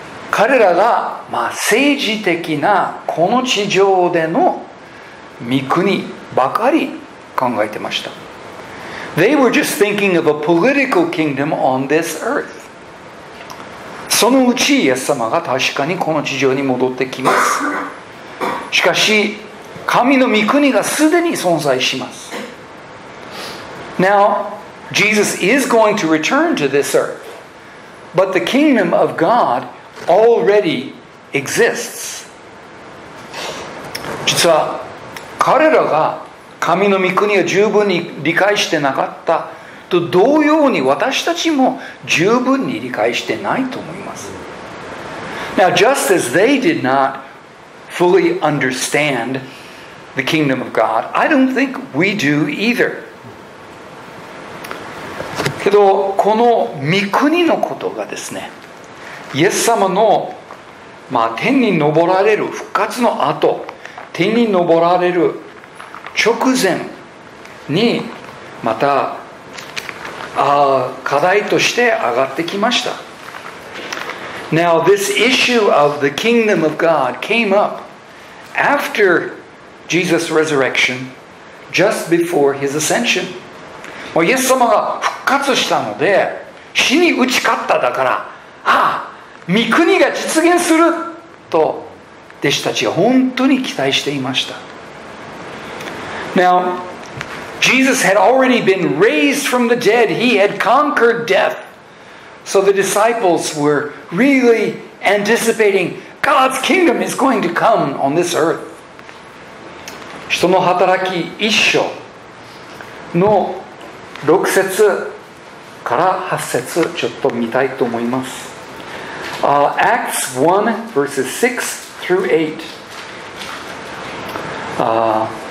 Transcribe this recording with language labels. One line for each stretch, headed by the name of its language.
Japanese: 彼らが、政治的なこの地上での御国ばかり考えてました。
English: They were just thinking of a political kingdom on this earth.
Japanese: そのうちイエス様が確かにこの地上に戻ってきます。しかし、神の御国がすでに存在します。
English: Now, Jesus is going to return to this earth. But the kingdom of GodAlready exists.
Japanese: 実は彼らが神の御国を十分に理解してなかったと同様に私たちも十分に理解してないと思います。
English: Now, just as they did not fully understand the kingdom of God, I don't think we do either.
Japanese: けどこの御国のことがですね。イエス様の、天に昇られる復活の後、天に昇られる直前にまた課題として上がってきました。
English: Now this issue of the kingdom of God came up after Jesus' resurrection, just before his ascension.
Japanese: もうイエス様が復活したので死に打ち勝っただから、御国が実現すると弟子たちは本当に期待していました。
English: Now, Jesus had already been raised from the dead. He had conquered death. So the disciples were really anticipating God's kingdom is going to come on this earth.
Japanese: 人の働き一章の6節から8節ちょっと見たいと思います。
English: Acts 1 verses 6 through 8.